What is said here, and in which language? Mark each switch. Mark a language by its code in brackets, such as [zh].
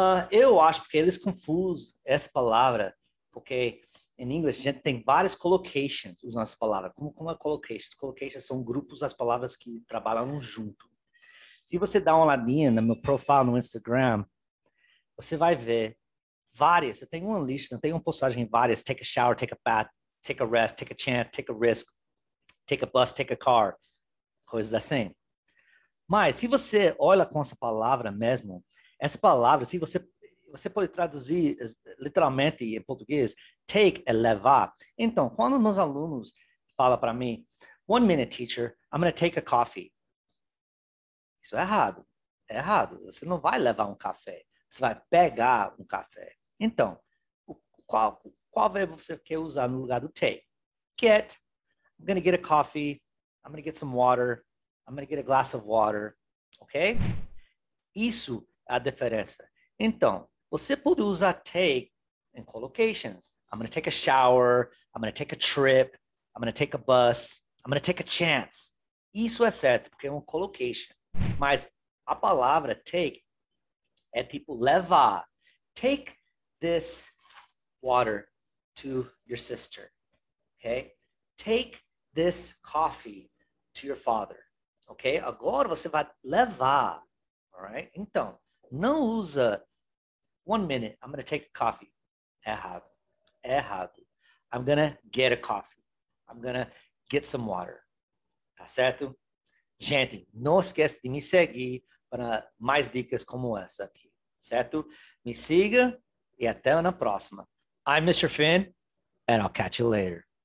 [pt] Eu acho que eles confusam essa palavra, porque em inglês a gente tem várias collocations usando essa palavra. Como é collocations? Collocations são grupos das palavras que trabalham junto. Se você dá uma olhadinha no meu profile no Instagram, você vai ver várias. Eu tenho uma lista, eu tenho uma postagem em várias. [en] Take a shower, take a bath, take a rest, take a chance, take a risk, take a bus, take a car. [pt] Coisas assim. Mas se você olha com essa palavra mesmo, essa palavra, se você pode traduzir literalmente em português, take é levar. Então, quando meus alunos falam para mim, [en] 1 minute, teacher, I'm gonna take a coffee. [pt] Isso é errado. É errado. Você não vai levar um café. Você vai pegar um café. Então, qual verbo você quer usar no lugar do take? [en] Get. I'm gonna get a coffee. I'm gonna get some water. I'm gonna get a glass of water, ok? [pt] Isso é a diferença. Então, você pode usar take em collocations. [en] I'm gonna take a shower, I'm gonna take a trip, I'm gonna take a bus, I'm gonna take a chance. [pt] Isso é certo, porque é uma collocation. Mas a palavra take é tipo levar. [en] Take this water to your sister, ok? Take this coffee to your father. [pt] Ok? Agora você vai levar. Alright? Então, não usa [en] 1 minute, I'm gonna take a coffee. [pt] É errado. É errado. [en] I'm gonna get a coffee. I'm gonna get some water. [pt] Tá certo? Gente, não esquece de me seguir para mais dicas como essa aqui. Certo? Me siga e até na próxima. [en] I'm Mr. Finn, and I'll catch you later.